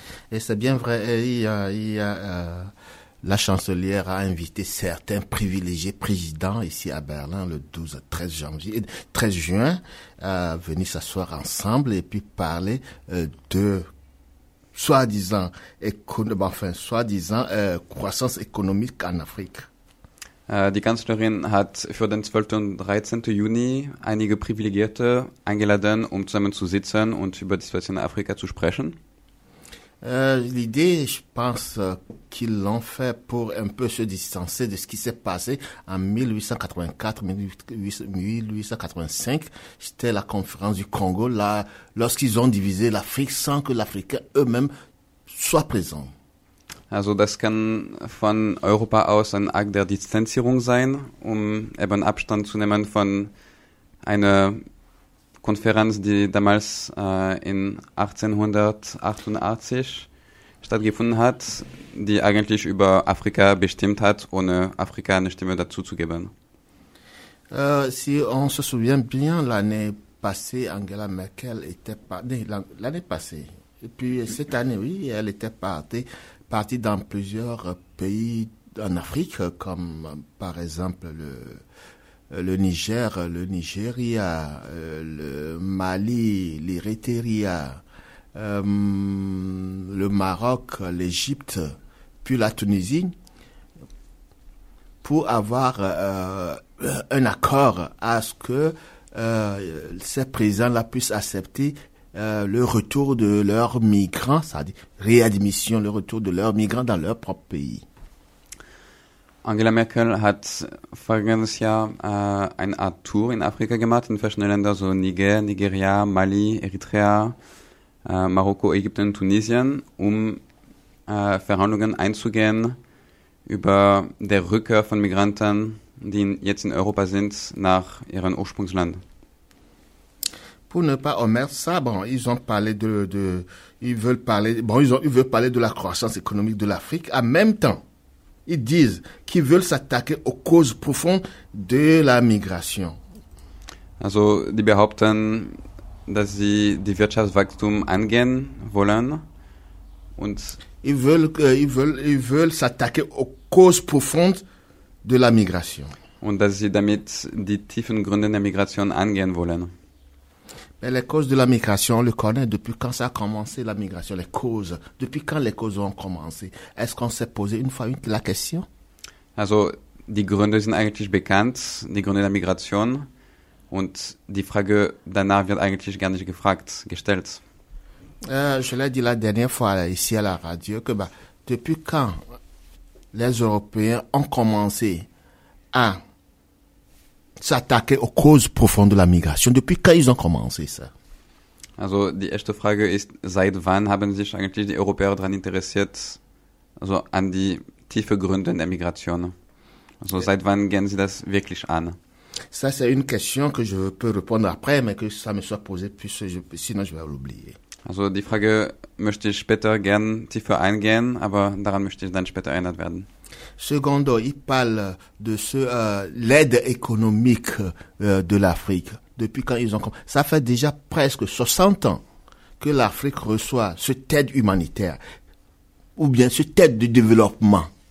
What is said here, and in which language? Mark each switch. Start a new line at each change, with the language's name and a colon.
French: Et c'est bien vrai, la chancelière a invité certains privilégiés présidents ici à Berlin le 13 juin, venir s'asseoir ensemble et puis parler de soi-disant, croissance économique en Afrique.
German: Die Kanzlerin hat für den 12. und 13. Juni einige Privilegierte eingeladen, um zusammen zu sitzen und über die Situation in Afrika zu sprechen.
French: L'idée, je pense qu'ils l'ont fait pour un peu se distancer de ce qui s'est passé en 1884-1885. C'était la conférence du Congo, là, lorsqu'ils ont divisé l'Afrique sans que l'Africain eux-mêmes soit présent.
German: Also, das kann von Europa aus ein Akt der Distanzierung sein, um eben Abstand zu nehmen von einer Konferenz, die damals in 1888 stattgefunden hat, die eigentlich über Afrika bestimmt hat, ohne Afrika eine Stimme dazu zu geben.
French: Si on se souvient bien, l'année passée, Angela Merkel était partie, l'année passée, et puis cette année, oui, elle était partie dans plusieurs pays en Afrique, comme par exemple le Niger, le Nigeria, le Mali, l'Érythrée, le Maroc, l'Égypte, puis la Tunisie, pour avoir un accord à ce que ces présidents-là puissent accepter le retour de leurs migrants, c'est-à-dire réadmission, le retour de leurs migrants dans leur propre pays.
German: Angela Merkel hat vergangenes Jahr eine Art Tour in Afrika gemacht, in verschiedene Länder, so Niger, Nigeria, Mali, Eritrea, Marokko, Ägypten, Tunesien, um Verhandlungen einzugehen über der Rückkehr von Migranten, die jetzt in Europa sind, nach ihrem Ursprungsland.
French: Pour ne pas omettre ça, bon, ils ont parlé ils veulent parler de la croissance économique de l'Afrique. En même temps, ils disent qu'ils veulent s'attaquer aux causes profondes de la migration.
German: Also, die behaupten, dass sie die Wirtschaftswachstum angehen wollen und
French: ils veulent s'attaquer aux causes profondes de la migration.
German: Und dass sie damit die tiefen Gründe der Migration angehen wollen.
French: Mais les causes de la migration, on le connaît depuis quand ça a commencé la migration, les causes, depuis quand les causes ont commencé. Est-ce qu'on s'est posé une fois la question?
German: Also, die Gründe sind eigentlich bekannt, die Gründe der Migration, und die Frage danach wird eigentlich gar nicht gefragt, gestellt.
French: Je l'ai dit la dernière fois ici à la radio que bah, depuis quand les Européens ont commencé à s'attaquer aux causes profondes de la migration. Depuis quand ils ont commencé ça?
German: Also, die erste Frage ist, seit wann haben sich eigentlich die Europäer daran interessiert, also an die tiefe Gründe der Migration? Also, seit wann gehen sie das wirklich an?
French: Ça, c'est une question que je peux répondre après, mais que ça me soit posé, sinon je vais l'oublier.
German: Also, die Frage möchte ich später gern tiefer eingehen, aber daran möchte ich dann später erinnert werden.
French: Secondo, il parle de l'aide économique de l'Afrique. Depuis quand ils ont commencé? Ça fait déjà presque 60 ans que l'Afrique reçoit cette aide humanitaire ou bien cette aide de développement.